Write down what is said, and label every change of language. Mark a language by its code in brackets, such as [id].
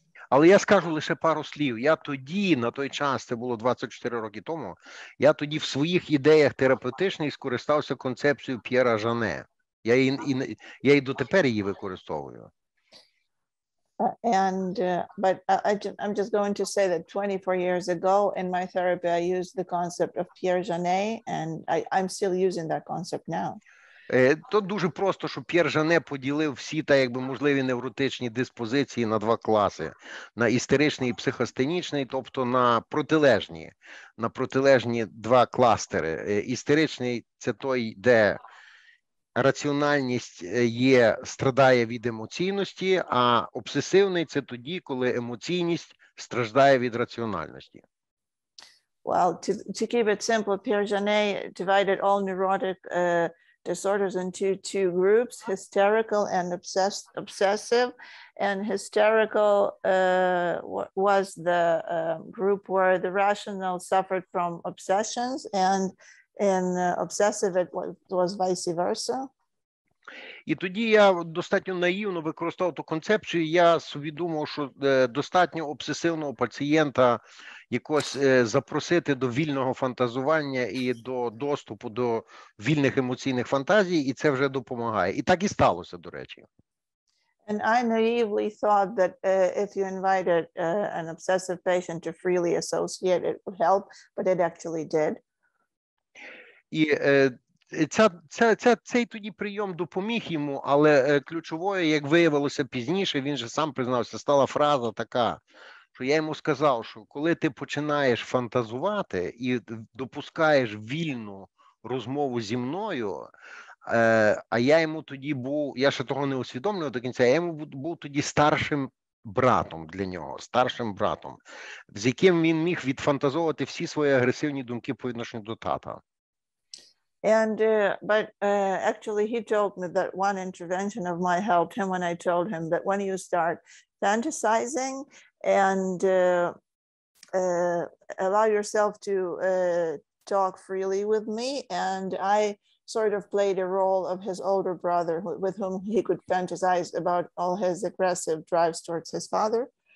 [uk] Але я скажу лише пару слів. Я тоді, на той час, це було 24 роки тому, я тоді в своїх ідеях терапевтичних скористався концепцією П'єра Жане. Я її дотепер використовую. [en] I'm just going to say that 24 years ago in my therapy, I used the concept of Pierre Janet, and I'm still using that concept now. [uk] То дуже просто, що П'єр Жане поділив всі та якби можливі невротичні диспозиції на два класи: на істеричний і психостенічний, тобто на протилежні два кластери. Істеричний – це той, де раціональність є, страждає від емоційності, а обсесивний – це тоді, коли емоційність страждає від раціональності. [en] Well, to keep it simple, П'єр Жане divided all neurotic disorders into two groups, hysterical and obsessive. And hysterical was the group where the rational suffered from obsessions, and in obsessive it was vice versa. [uk] І тоді я достатньо наївно використовував ту концепцію, я собі думав, що достатньо обсесивного пацієнта якось запросити до вільного фантазування і до доступу до вільних емоційних фантазій, і це вже допомагає. І так і сталося, до речі. [en] And I naively thought that if you invited an obsessive patient to freely associate, it would help, but it actually did. [uk] І цей тоді прийом допоміг йому, але ключовою, як виявилося пізніше, він же сам признався, стала фраза така, що я йому сказав, що коли ти починаєш фантазувати і допускаєш вільну розмову зі мною, а я йому тоді був, я ще того не усвідомлював до кінця, я йому був тоді старшим братом для нього, старшим братом, з яким він міг відфантазовувати всі свої агресивні думки по відношенню до тата. [en] And actually he told me that one intervention of mine helped him when I told him that when you start fantasizing and allow yourself to talk freely with me, and I sort of played a role of his older brother with whom he could fantasize about all his aggressive drives towards his father.